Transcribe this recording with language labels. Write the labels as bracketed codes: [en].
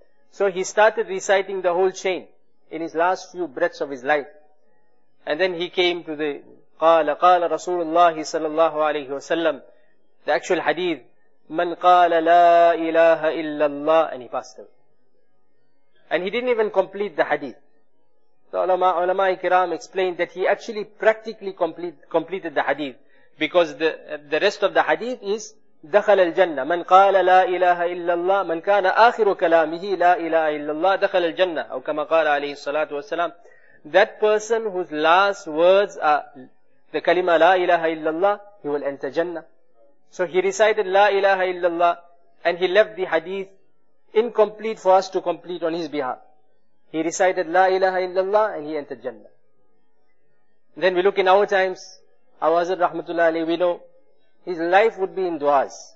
[en] So he started reciting the whole chain in his last few breaths of his life. And then he came to the qala, qala Rasulullah sallallahu alayhi wasallam, the actual hadith, [ar] man qala la ilaha illallah, [en] and he passed away. And he didn't even complete the hadith. So ulama ikram explained that he actually practically completed the hadith, because the rest of the hadith is [ar] دخل الجنة من قال لا إله إلا الله من كان آخر كلامه لا إله إلا الله دخل الجنة أو كما قال عليه الصلاة والسلام. [en] That person whose last words are the كلمة لا إله إلا الله, he will enter Jannah. So he recited لا إله إلا الله and he left the hadith incomplete for us to complete on his behalf. He recited La ilaha illallah and he entered Jannah. Then we look in our times, our Hazrat Rahmatullah Ali, we know his life would be in du'as.